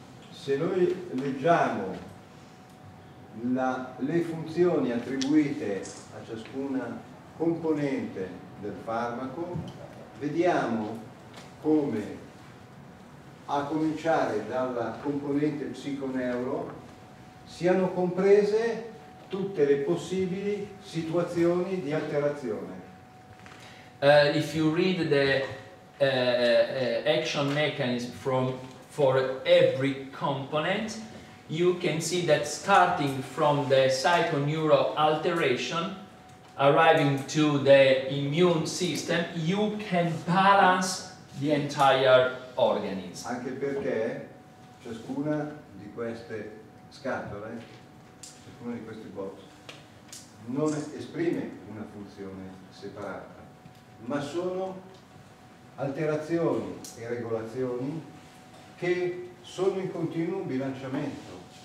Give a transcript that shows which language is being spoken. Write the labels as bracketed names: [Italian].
[Italian] Se noi leggiamo le funzioni attribuite a ciascuna componente del farmaco, vediamo come, a cominciare dalla componente psiconeuro, siano comprese tutte le possibili situazioni di alterazione. [English] If you read the action mechanism for every component, you can see that starting from the psychoneural alteration, arriving to the immune system, you can balance the entire organism. [Italian] Anche perché ciascuna di queste scatole, ciascuna di queste box, non esprime una funzione separata, ma sono alterazioni e regolazioni che sono in continuo bilanciamento,